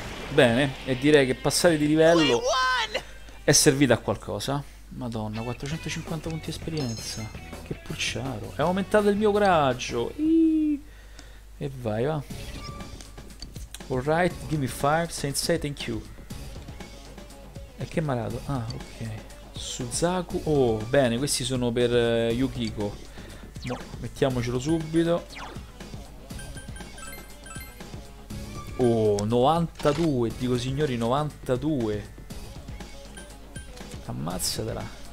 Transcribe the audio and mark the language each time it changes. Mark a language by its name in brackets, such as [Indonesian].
[Italian] Bene, e direi che passare di livello è servito a qualcosa. Madonna, 450 punti esperienza. Che purciaro. È aumentato il mio coraggio. E vai, va. [English] Alright, give me 5, sensei, thank you. [Italian] E che malato. Ah, ok. Suzaku. Oh, bene, questi sono per Yukiko. No, mettiamocelo subito. Oh, 92. Dico, signori, 92. Ammazzatela.